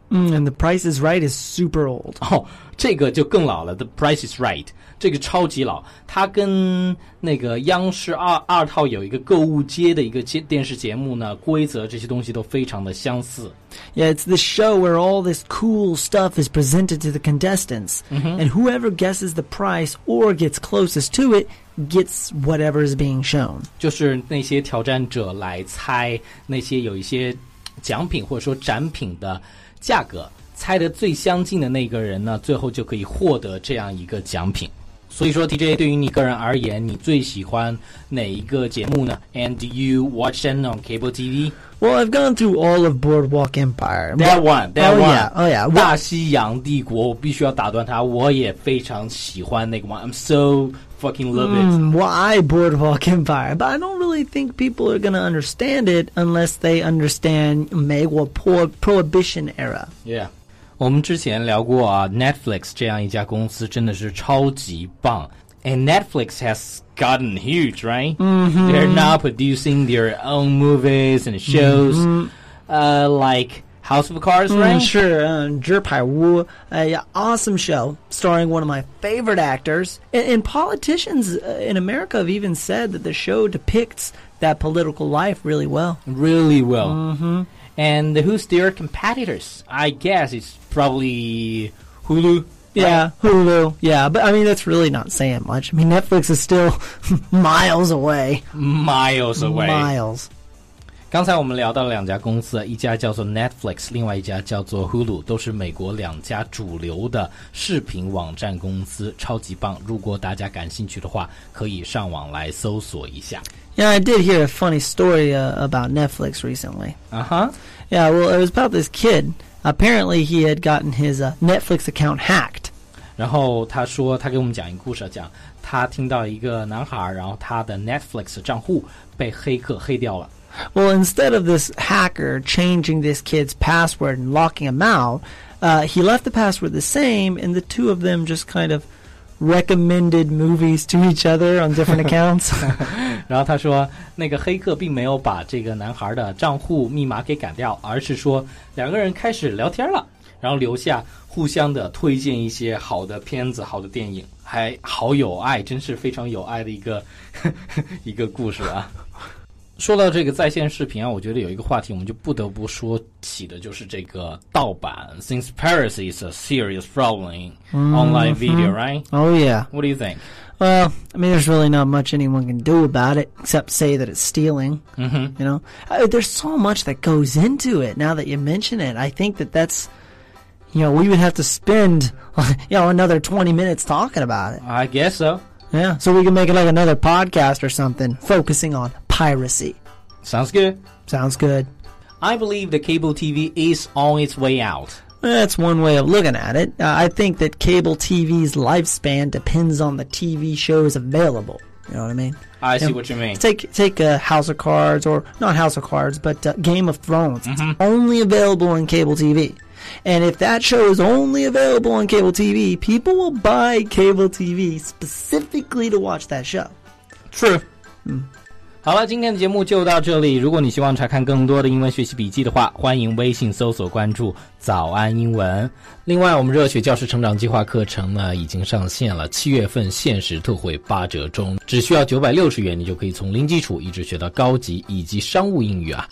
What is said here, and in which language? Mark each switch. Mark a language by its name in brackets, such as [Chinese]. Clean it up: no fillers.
[English] And The Price is Right is super old. [Chinese] 哦，这个就更老了， The Price is Right这个超级老，它跟那个央视二套有一个购物街的一个电视节目呢，规则这些东西都非常的相似。 [English] Yeah, it's the show where all this cool stuff is presented to the contestants,、and whoever guesses the price or gets closest to it gets whatever is being shown. [Chinese] 就是那些挑战者来猜那些有一些奖品或者说展品的价格，猜得最相近的那个人呢，最后就可以获得这样一个奖品。所以说 TJ, 对于你个人而言，你最喜欢哪一个节目呢？ [English] And do you watch them on cable TV? Well, I've gone through all of Boardwalk Empire. That one. Oh, yeah. Oh, yeah. [Chinese] 大西洋帝国，我必须要打断它，我也非常喜欢那个 one. [English] I'm so fucking love it. Why Boardwalk Empire? But I don't really think people are going to understand it unless they understand 美国 Prohibition era. Yeah. [Chinese] 我们之前聊过啊 ,Netflix 这样一家公司真的是超级棒。 [English] And Netflix has gotten huge, right?、They're now producing their own movies and shows,、like House of Cards, right? Sure, 纸牌屋 awesome show, starring one of my favorite actors. And politicians in America have even said that the show depicts that political life really well. Really well. Mm-hmm. And who's their competitors? I guess it's probably Hulu. Yeah, Hulu. Yeah, but I mean, that's really not saying much. I mean, Netflix is still miles away. Miles away. Miles. [Chinese] 刚才我们聊到两家公司，一家叫做 Netflix, 另外一家叫做 Hulu, 都是美国两家主流的视频网站公司，超级棒。如果大家感兴趣的话，可以上网来搜索一下。 [English] Yeah, I did hear a funny story about Netflix recently. Uh-huh. Yeah, well, it was about this kid. Apparently, he had gotten his Netflix account hacked. [Chinese] 然后他说，他给我们讲一个故事，讲他他听到一个男孩，然后他的 Netflix 账户被黑客黑掉了。 [English] Well, instead of this hacker changing this kid's password and locking him out, he left the password the same, and the two of them just kind of recommended movies to each other on different accounts. [Chinese] 然后他说，那个黑客并没有把这个男孩的账户密码给改掉，而是说两个人开始聊天了，然后留下互相的推荐一些好的片子、好的电影，还好有爱，真是非常有爱的一个故事啊。说到这个在线视频啊，我觉得有一个话题我们就不得不说起的，就是这个盗版。 [English] Since piracy is a serious problem in online video, right? Oh yeah. What do you think? Well, I mean, there's really not much anyone can do about it except say that it's stealing. Mm-hmm. You know, there's so much that goes into it. Now that you mention it, I think that's, you know, we would have to spend, you know, another 20 minutes talking about it. I guess so. Yeah. So we can make it like another podcast or something, focusing on. Piracy. Sounds good. Sounds good. I believe that cable TV is on its way out. That's one way of looking at it. I think that cable TV's lifespan depends on the TV shows available. You know what I mean? I see what you mean. Take House of Cards, or not House of Cards, but Game of Thrones. Mm-hmm. It's only available on cable TV. And if that show is only available on cable TV, people will buy cable TV specifically to watch that show. True. Hmm. [Chinese] 好了，今天的节目就到这里。如果你希望查看更多的英文学习笔记的话，欢迎微信搜索关注早安英文。另外，我们热血教师成长计划课程呢已经上线了，七月份限时特惠八折中，只需要960元，你就可以从零基础一直学到高级以及商务英语啊。